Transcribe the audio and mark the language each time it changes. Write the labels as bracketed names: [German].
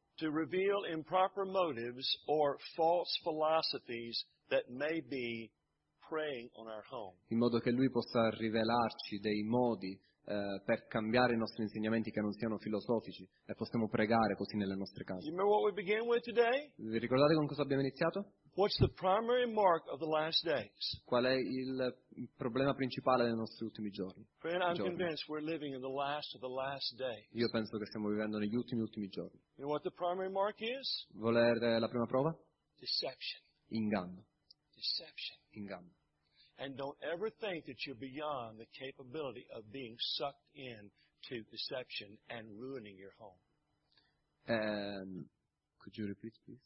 [English] To reveal improper motives or false philosophies that may be preying on our home. [Italian] In modo che lui possa rivelarci dei modi per cambiare i nostri insegnamenti che non siano filosofici e possiamo pregare così nelle nostre case. [English] You remember what we began with today? [Italian] Vi ricordate con cosa abbiamo iniziato? [English] What's the primary mark of the last days? [Italian] Qual è il problema principale dei nostri ultimi giorni? [English] Friend, I'm convinced we're living in the last of the last days. [Italian] Io penso che stiamo vivendo negli ultimi giorni. [English] You know what the primary mark is? [Italian] Volere la prima prova? [English] Deception. [Italian] Inganno. [English] Deception. [Italian] Inganno. [English] And don't ever think that you're beyond the capability of being sucked in to deception and ruining your home. Could you repeat, please?